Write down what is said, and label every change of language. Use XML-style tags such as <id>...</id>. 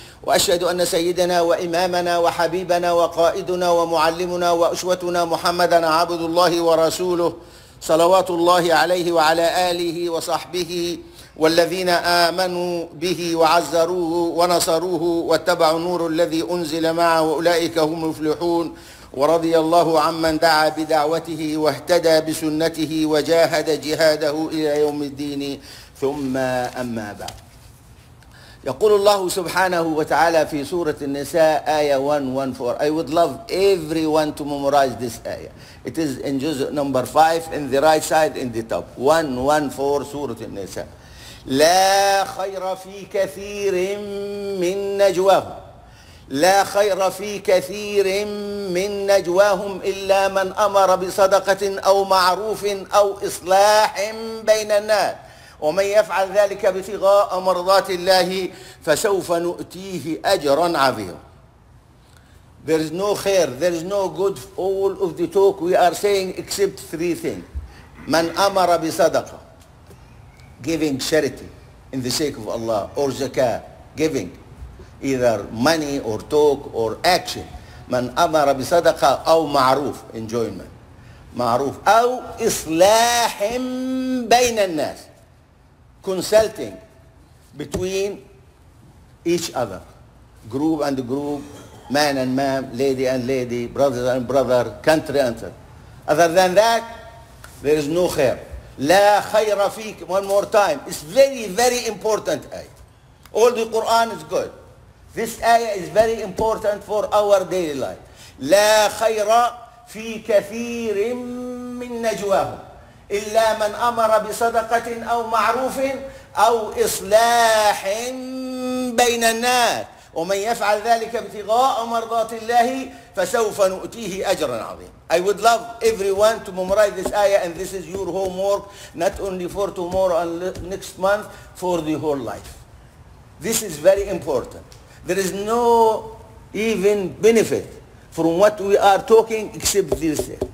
<ar>وأشهد أن سيدنا وإمامنا وحبيبنا وقائدنا ومعلمنا وأسوتنا محمدا عبد الله ورسوله صلوات الله عليه وعلى آله وصحبه والذين آمنوا به وعزروه ونصروه واتبعوا النور الذي أنزل معه وأولئك هم المفلحون. ورضي الله عمن دعا بدعوته واهتدى بسنته وجاهد جهاده إلى يوم الدين ثم أما بعد. يقول الله سبحانه وتعالى في سورة النساء آية 114.</ar> <en>I would love everyone to memorize this ayah. It is in جزء number 5 in the right side in the top.</en> <ar>114 سورة النساء. لا خير في كثير من نجواهم. لا خير في كثير من نجواهم إلا من أمر بصدقة أو معروف أو إصلاح بين الناس. ومن يفعل ذلك ابتغاء مرضات الله فسوف نؤتيه أجرا عظيما.</ar> <en>There is no خير, there is no good for all of the talk we are saying except three things. من أمر بصدقة, giving charity in the sake of Allah, or زكاة, giving either money or talk or action. من أمر بصدقة أو معروف, enjoyment, معروف, أو إصلاح بين الناس, consulting between each other, group and group, man and man, lady and lady, brother and brother, country and country. Other than that, there is no خير. لا خير فيك. One more time. It's very very important ayah. All the Quran is good. This ayah is very important for our daily life.</en> <ar>لا خير في كثير من نجواهم إلا من أمر بصدقة أو معروف أو إصلاح بين الناس ومن يفعل ذلك ابتغاء مرضات الله فسوف نؤتيه أجرا عظيما.</ar> <en>I would love everyone to memorize this ayah, and this is your homework not only for tomorrow and next month, for the whole life. This is very important. There is no even benefit from what we are talking except this.</en>